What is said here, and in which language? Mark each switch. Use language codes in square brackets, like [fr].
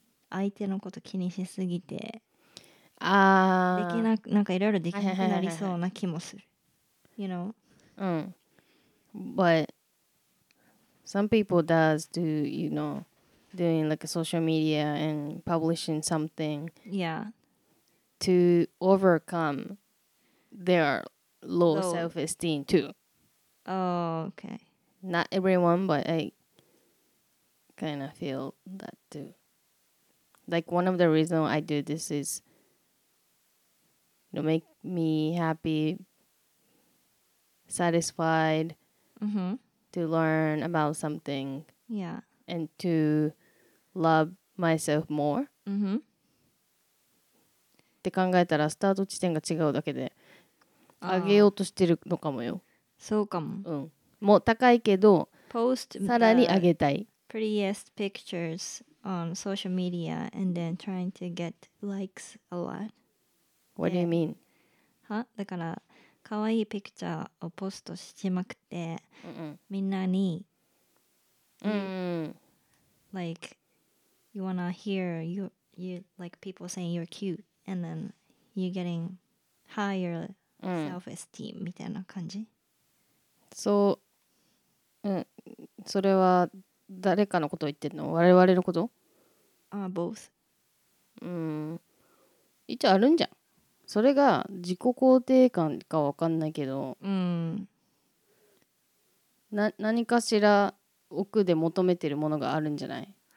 [ja] 相手のこと気にしすぎて。できなく、なんかいろいろできなくなりそうな気もする。 [en] You know? But some people does do, you know, doing like a social media and publishing something. Yeah. To overcome their low self-esteem too. Oh, okay. Not everyone, but I kind of feel that too. Like one of the reasons I do this is to make me happy, satisfied, mm-hmm. to learn about something. Yeah. And to love myself more. Mm-hmm. [ja] って考えたらスタート地点が違うだけで上げようとしてるのかもよ。そうかも。うん。もう高いけど、 [en] Post、 [ja] さらに上げたい。 [en] Prettiest pictures on social media and then trying to get likes a lot. What do you mean? [ja] は？だから、かわいいピクチャーをポストしまくって、 Mm-mm. みんなに、 Mm-mm. [en] like, you wanna hear you like people saying you're cute and then you're getting higher self-esteem [ja] みたいな感じ。そう、うん、それは誰かのこと言ってるの？我々のこと？ [en] both。 [ja] 一応あるんじゃん。それが自己肯定感かわかんないけど、何かしら奥で求めてるものがあるんじゃない？